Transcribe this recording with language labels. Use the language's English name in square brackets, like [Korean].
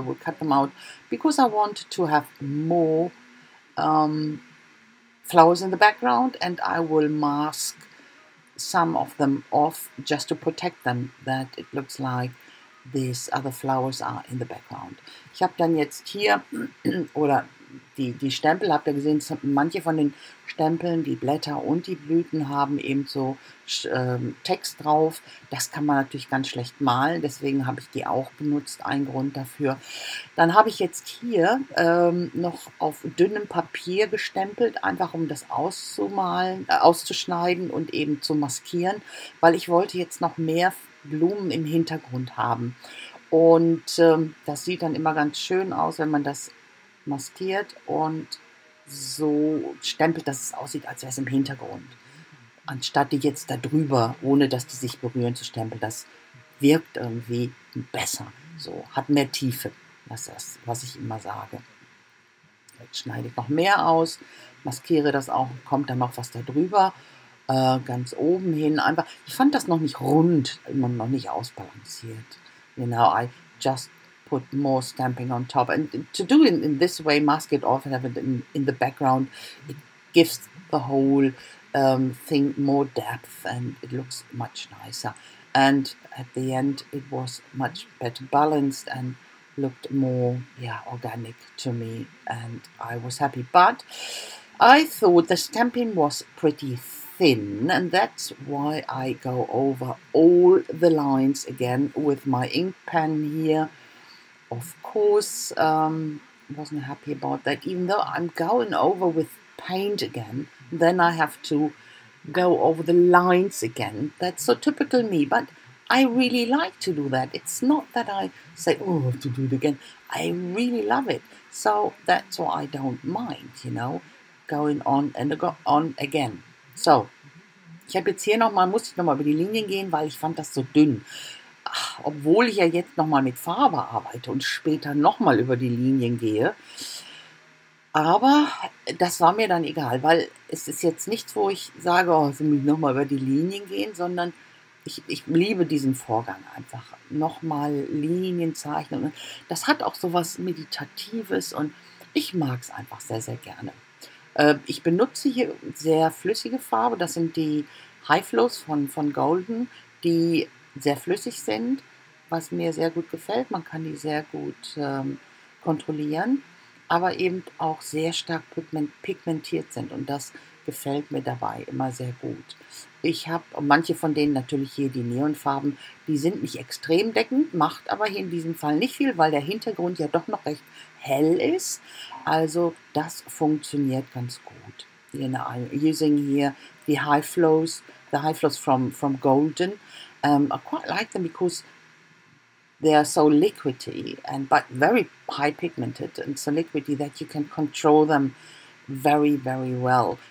[English] We'll cut them out because I want to have more flowers in the background, and I will mask some of them off just to protect them, that it looks like these other flowers are in the background. [German] Ich habe dann jetzt hier, oder die Stempel, habt ihr gesehen, manche von den Stempeln, die Blätter und die Blüten haben eben so Text drauf. Das kann man natürlich ganz schlecht malen, deswegen habe ich die auch benutzt, ein Grund dafür. Dann habe ich jetzt hier noch auf dünnem Papier gestempelt, einfach um das auszumalen, auszuschneiden und eben zu maskieren, weil ich wollte jetzt noch mehr Blumen im Hintergrund haben. Und das sieht dann immer ganz schön aus, wenn man das maskiert und so stempelt, dass es aussieht, als wäre es im Hintergrund. Anstatt die jetzt da drüber, ohne dass die sich berühren, zu stempeln. Das wirkt irgendwie besser. So, hat mehr Tiefe. Das ist das, was ich immer sage. Jetzt schneide ich noch mehr aus, maskiere das auch, kommt dann noch was da drüber. Ganz oben hin einfach. Ich fand das noch nicht rund, immer noch nicht ausbalanciert. [English] You know, I just put more stamping on top, and to do it in this way, mask it off and have it in the background, it gives the whole thing more depth and it looks much nicer, and at the end it was much better balanced and looked more, yeah, organic to me, and I was happy. But I thought the stamping was pretty thin, and that's why I go over all the lines again with my ink pen here. Of course, wasn't happy about that, even though I'm going over with paint again, then I have to go over the lines again. That's so typical me, but I really like to do that. It's not that I say, oh, I have to do it again. I really love it. So that's why I don't mind, you know, going on and on again. [German] So, ich habe jetzt hier nochmal, muss ich nochmal über die Linien gehen, weil ich fand das so dünn. Ach, obwohl ich ja jetzt nochmal mit Farbe arbeite und später nochmal über die Linien gehe. Aber das war mir dann egal, weil es ist jetzt nichts, wo ich sage, oh, jetzt muss ich nochmal über die Linien gehen, sondern ich liebe diesen Vorgang einfach. Nochmal Linien zeichnen. Das hat auch so was Meditatives und ich mag es einfach sehr, sehr gerne. Ich benutze hier sehr flüssige Farbe. Das sind die High Flows von Golden, die sehr flüssig sind, was mir sehr gut gefällt. Man kann die sehr gut kontrollieren, aber eben auch sehr stark pigmentiert sind. Und das gefällt mir dabei immer sehr gut. Ich habe manche von denen natürlich hier, die Neonfarben, die sind nicht extrem deckend, macht aber hier in diesem Fall nicht viel, weil der Hintergrund ja doch noch recht hell ist. Also das funktioniert ganz gut. [English] I'm using here the high flows from Golden. I quite like them because they are so liquidy, and but very high pigmented and so liquidy that you can control them very, very well.